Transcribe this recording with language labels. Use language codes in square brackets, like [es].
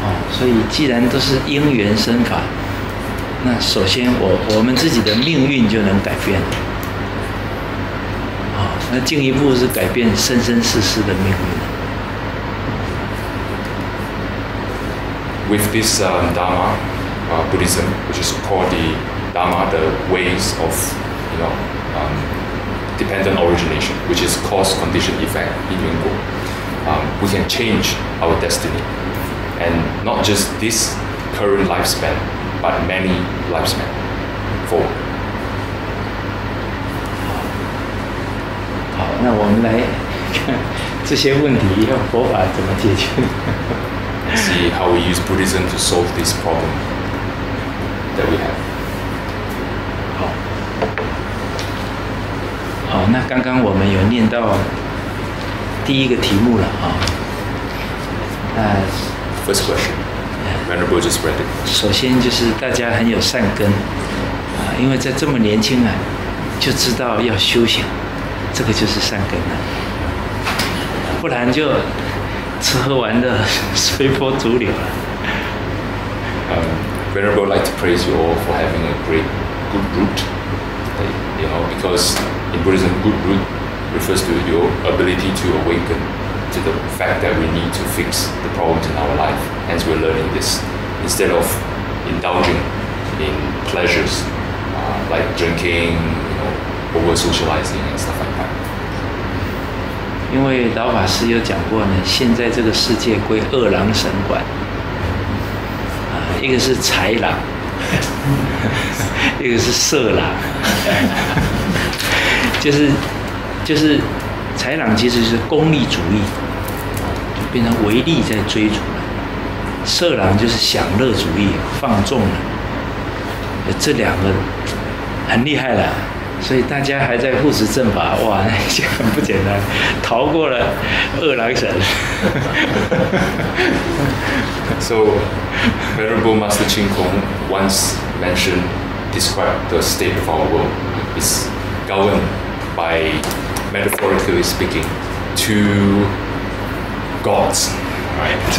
[zh] 所以既然都是因缘生法，那首先我们自己的命运就能改变了。那进一步是改变生生世世的命运。 [en] With this Dharma, Buddhism, which is called the Dharma, the ways of, you know, dependent origination, which is cause, condition, effect, 因缘果 we can change our destiny, and not just this current lifespan, but many lifespan forward. [zh] 好，那我们来这些问题用佛法怎么解决 [en] ？See how we use Buddhism to solve this problem that we have. [zh] 好，好，那刚刚我们有念到第一个题目了啊。那 [en] First question, Venerable just read it. [zh] 首先就是大家很有善根啊，因为在这么年轻啊，就知道要修行。这个就是善根了，不然就吃喝玩乐随波逐流了。 [en] Venerable, I'd like to praise you all for having a great good root. You know, because in Buddhism, good root refers to your ability to awaken to the fact that we need to fix the problems in our life. Hence, we're learning this instead of indulging in pleasures, like drinking, you know, over socializing and stuff like that. [zh] 因为老法师有讲过呢，现在这个世界归二郎神管，啊，一个是豺狼，一个是色狼，就是豺狼其实是功利主义，就变成唯利在追逐了；色狼就是享乐主义，放纵了。这两个很厉害了。所以大家还在护持正法，哇，那些很不简单，逃过了二郎神。 [en] So, Venerable Master Ching Kong once mentioned, described the state of our world is governed by, metaphorically speaking, two gods. Right?